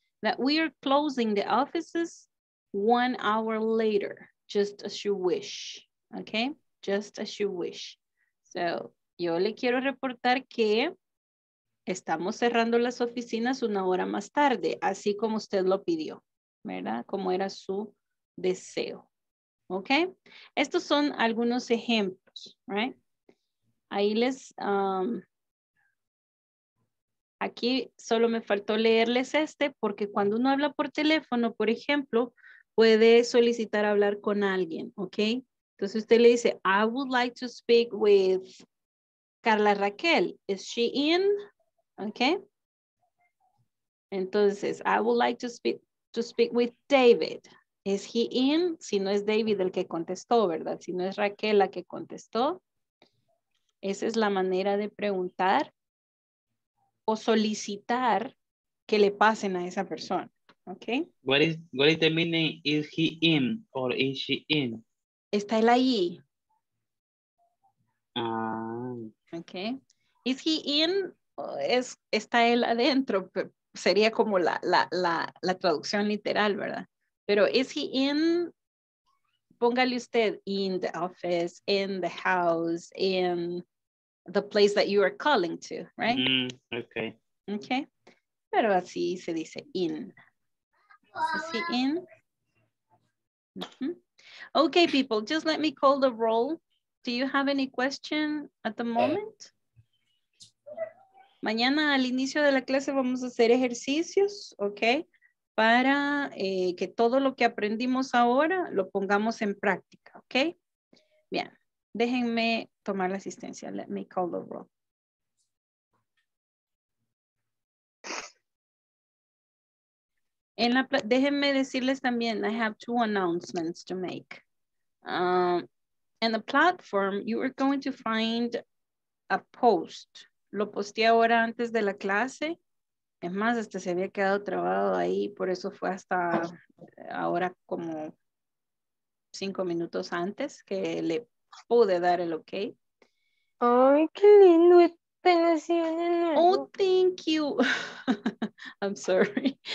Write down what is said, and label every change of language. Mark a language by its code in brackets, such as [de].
[en] That we are closing the offices 1 hour later, just as you wish, okay? Just as you wish. [es] So, yo le quiero reportar que estamos cerrando las oficinas 1 hora más tarde, así como usted lo pidió, ¿verdad? Como era su deseo, okay? Estos son algunos ejemplos, right? Ahí les... aquí solo me faltó leerles este porque cuando uno habla por teléfono, por ejemplo, puede solicitar hablar con alguien, ¿ok? Entonces usted le dice, [en] I would like to speak with Carla Raquel. Is she in? ¿Ok? Entonces, I would like to speak with David. Is he in? [es] Si no es David el que contestó, ¿verdad? Si no es Raquel la que contestó. Esa es la manera de preguntar. O solicitar que le pasen a esa persona, ¿ok? [en] What is the meaning? Is he in or is she in? [es] Está él ahí. Ah. [en] Okay. Is he in? [es] Está él adentro. Sería como la traducción literal, ¿verdad? Pero [en] is he in [es] póngale usted [en] in the office, in the house, in the place that you are calling to, right? Mm, okay. [es] Okay. Pero así se dice in. Así in. Mm-hmm. [en] Okay, people, just let me call the roll. Do you have any question at the moment? [es] Mañana al inicio de la clase vamos a hacer ejercicios, okay? Para que todo lo que aprendimos ahora lo pongamos en práctica, ¿ok? Bien, déjenme tomar la asistencia. [en] Let me call the roll. [es] Déjenme decirles también, [en] I have two announcements to make. In the platform, you are going to find a post. [es] Lo posté ahora antes de la clase. Es más, este se había quedado trabado ahí, por eso fue hasta ahora como 5 minutos antes que le pude dar el ok. Ay, qué lindo, este nació de nuevo. [en] Oh, thank you. I'm sorry.